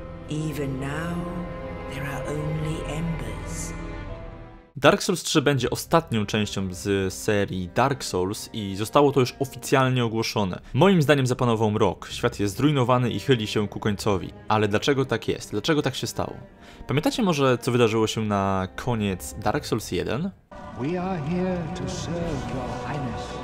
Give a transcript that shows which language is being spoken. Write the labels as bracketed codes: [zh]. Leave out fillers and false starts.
[en] Even now, there are only embers. [pl] Dark Souls 3 będzie ostatnią częścią z serii Dark Souls i zostało to już oficjalnie ogłoszone. Moim zdaniem zapanował mrok, świat jest zrujnowany i chyli się ku końcowi. Ale dlaczego tak jest? Dlaczego tak się stało? Pamiętacie może, co wydarzyło się na koniec Dark Souls 1? [en] We are here to serve your highness.